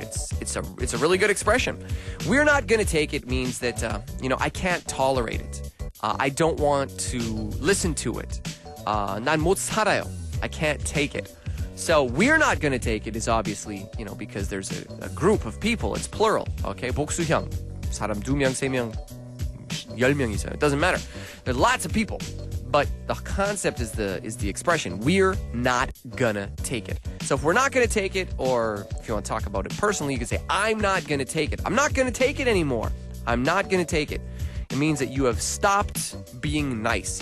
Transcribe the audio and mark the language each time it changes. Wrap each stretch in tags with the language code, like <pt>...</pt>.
<en>It's a really good expression. We're not gonna take it means that, I can't tolerate it. I don't want to listen to it.</en> <ko>난 못 살아요.</ko> <en>I can't take it. So we're not going to take it is obviously, you know, because there's a group of people. It's plural. Okay. 복수형.</en> <ko>사람 두 명, 세 명, 열 명 이상.</ko> <en>It doesn't matter. There are lots of people. But the concept is the expression. We're not going to take it. So if we're not going to take it, or if you want to talk about it personally, you can say, I'm not going to take it. I'm not going to take it anymore. I'm not going to take it. It means that you have stopped being nice.</en>